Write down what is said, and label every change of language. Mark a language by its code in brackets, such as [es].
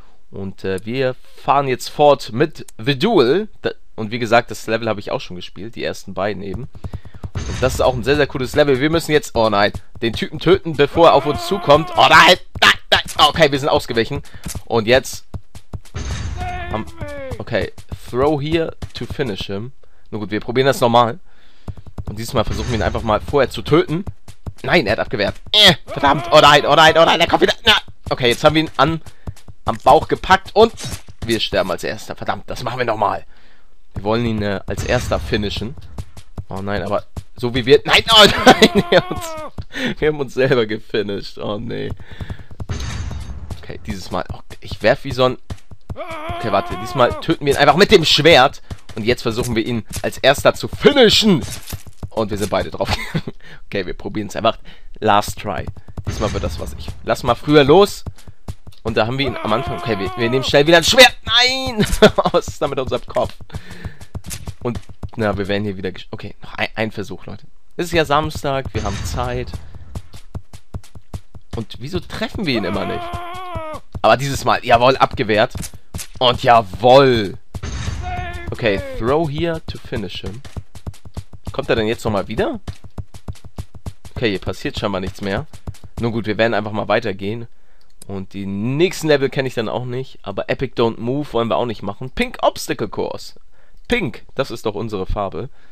[de] Und wir fahren jetzt fort mit The Duel. Und wie gesagt, das Level habe ich auch schon gespielt, die ersten beiden eben. Und das ist auch ein sehr, sehr cooles Level. Wir müssen jetzt, oh nein, den Typen töten, bevor er auf uns zukommt. Oh nein! Okay, wir sind ausgewichen. Und jetzt... [en] Okay, throw here to finish him. [de] Na gut, wir probieren das nochmal. Und dieses Mal versuchen wir ihn einfach mal vorher zu töten. Nein, er hat abgewehrt. Verdammt, oh nein, er kommt wieder. Na. Okay, jetzt haben wir ihn am Bauch gepackt und wir sterben als Erster. Verdammt, das machen wir nochmal. Wir wollen ihn als Erster finishen. Oh nein, aber so wie wir... Nein, oh nein, wir haben uns selber gefinished. Oh nee. Okay, dieses Mal... Oh, ich werfe wie so ein... Okay, warte. Diesmal töten wir ihn einfach mit dem Schwert. Und jetzt versuchen wir ihn als Erster zu finishen. Und wir sind beide drauf. Okay, wir probieren es einfach. [en] Last try. [de] Diesmal wird das was ich... Lass mal früher los. Und da haben wir ihn am Anfang... Okay, wir nehmen schnell wieder ein Schwert. Nein! Was ist da mit unserem Kopf? Und, na, wir werden hier wieder... Okay, noch ein Versuch, Leute. Es ist ja Samstag, wir haben Zeit. Und wieso treffen wir ihn immer nicht? Aber dieses Mal, jawohl, abgewehrt. Und jawohl. [en] Okay, throw here to finish him. [de] Kommt er denn jetzt nochmal wieder? Okay, hier passiert scheinbar nichts mehr. Nun gut, wir werden einfach mal weitergehen. Und die nächsten Level kenne ich dann auch nicht. Aber Epic Don't Move wollen wir auch nicht machen. Pink Obstacle Course. Pink, das ist doch unsere Farbe.